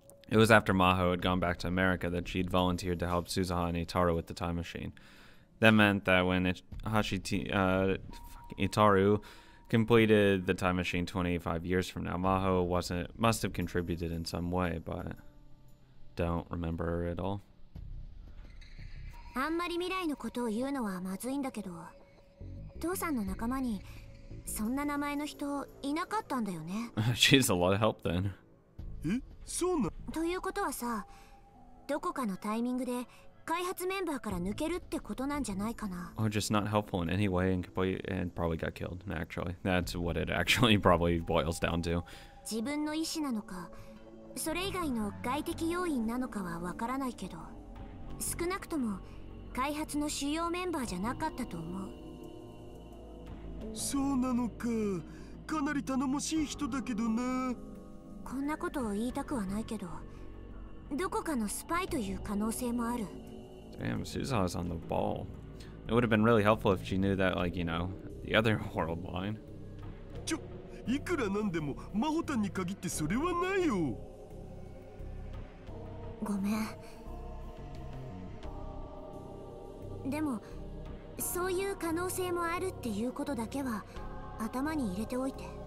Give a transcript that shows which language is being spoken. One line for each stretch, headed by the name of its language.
English: It was after Maho had gone back to America that she'd volunteered to help Suzanne and Itaru with the time machine. That meant that when Itaru completed the time machine 25 years from now, Maho must have contributed in some way, but don't remember her at all.
Japanese: あんまり未来のことを言うのはまずいんだけど、父さんの仲間にそんな名前の人いなかったんだよね。
English: She's a lot of help then.
Japanese: え、そうな。ということはさ、どこかのタイミングで開発メンバーから抜けるってことなんじゃないかな。
English: Or just not helpful in any way and probably got killed, actually. That's what it actually probably boils down to.
Japanese: 自分の意思なのか、それ以外の外的要因なのかはわからないけど、少なくとも開発の主要メンバーじゃなかったと思う。そうなのか、かなり頼もしい人だけどな。こんなことを言いたくはないけど、どこかのスパイという可能性もある。
English: Damn, Suzanne's on the ball. It would have been really helpful if she knew that, like, you know, the other world line.
Japanese: ちょ、いくらなんでも、マホタンに限ってそれはないよ。ごめん。でも、そういう可能性もあるっていうことだけは、頭に入れておいて。